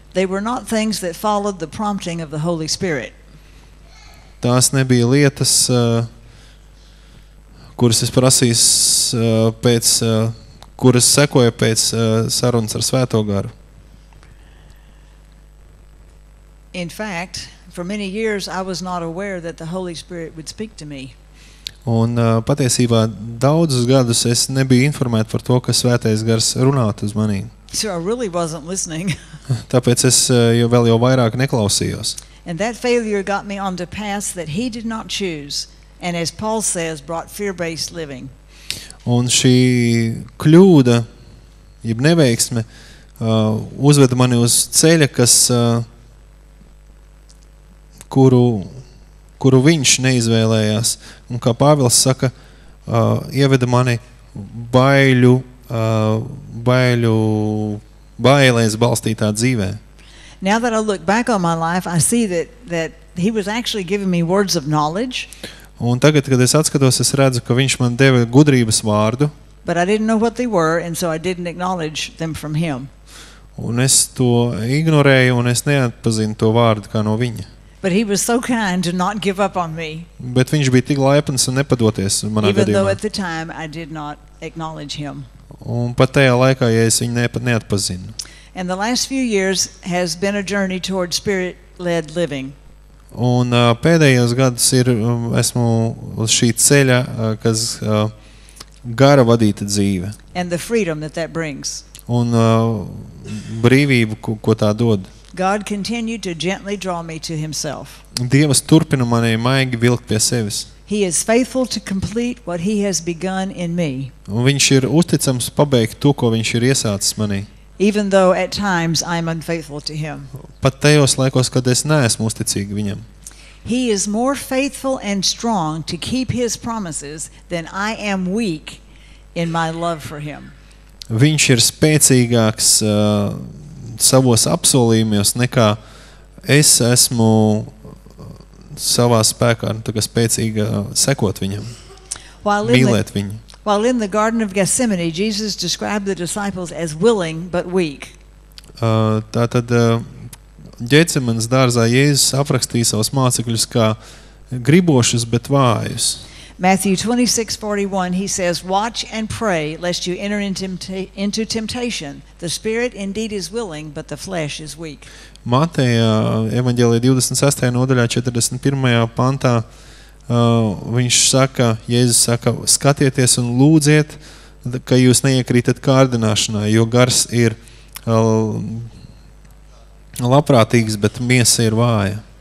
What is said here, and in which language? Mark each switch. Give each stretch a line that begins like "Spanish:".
English: They were not things that followed the prompting of the Holy Spirit.
Latvian: Tās nebija lietas, kuras es prasīju pēc, kuras sekoja pēc sarunas ar Svēto Garu.
English: In fact, for many years I was not aware that the Holy Spirit would speak to me.
Latvian: Un patiesībā daudzus gadus es nebiju informēts par to, ka Svētais Gars runātu uz mani.
English: So I really wasn't listening.
Latvian: Tāpēc es vēl vairāk neklausījos.
English: And that failure got me on the path that he did not choose, and as Paul says, brought fear-based living.
Latvian: Un šī kļūda, jeb neveiksme, uzveda mani uz ceļa, kas kuru viņš neizvēlējās. Un kā Pāvils saka, ieveda mani bailēs balstītā dzīvē.
English: Now that I look back on my life, I see that he was actually giving me words of knowledge.
Latvian: Un tagad, kad es atskatos, es redzu, ka viņš man deva gudrības vārdu.
English: But I didn't know what they were, and so I didn't acknowledge them from him.
Latvian: Un es to ignorēju, un es neatpazinu to vārdu kā no viņa.
English: But he was so kind to not give up on me.
Latvian: Bet viņš bija tik laipns un nepadoties manā gadījumā.
English: Even though at the time I did not acknowledge him.
Latvian: Un pat tajā laikā, ja es viņu pat neatpazinu.
English: And the last few years has been a journey toward spirit-led living.
Latvian: Un pēdējos gadus ir esmu uz šī ceļa, kas gara vadīta dzīve.
English: And the freedom that brings.
Latvian: Un brīvību, ko tā dod.
English: God continued to gently draw me to himself.
Latvian: Dievs turpina mani maigi vilkt pie sevis.
English: He is faithful to complete what he has begun in me.
Latvian: Un viņš ir uzticams pabeigt to, ko viņš ir iesācis manī.
English: Even though at times I am unfaithful to him.
Latvian: Pat tajos laikos, kad es neesmu uzticīga viņam.
English: He is more faithful and strong to keep his promises than I am weak in my love for him.
Latvian: Viņš ir spēcīgāks savos apsolījumos nekā es esmu savā spēkā, tā kā spēcīga sekot viņam, mīlēt viņu.
English: While in the Garden of Gethsemane, Jesus described the disciples as willing but weak.
Latvian: Tātad Ģetsemanes dārzā Jēzus aprakstīja savus mācekļus kā gribošus, bet vājus.
English: Matthew 26:41, he says, "Watch and pray lest you enter into temptation. The spirit indeed is willing, but the flesh is weak."
Latvian: Mateja evaņģēlija 26. Nodaļā 41. Pantā viņš saka, Jēzus saka, skatieties un lūdziet, ka jūs neiekrītat kārdināšanā, jo gars ir labprātīgs, bet miesa ir vāja.